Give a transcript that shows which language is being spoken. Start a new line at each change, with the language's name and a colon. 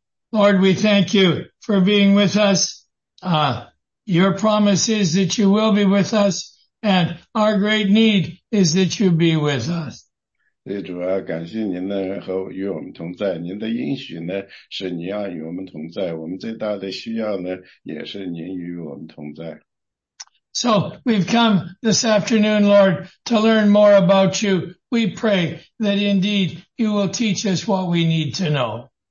English: Lord, we thank you for being with us. Your promise is that you will be with us, and our great need is that you be with us.
Chinese: 主啊，感谢您呢，和与我们同在。您的应许呢，是您要与我们同在。我们最大的需要呢，也是您与我们同在。
English: So we've come this afternoon, Lord, to learn more about you. We pray that indeed you will teach us what we need to know.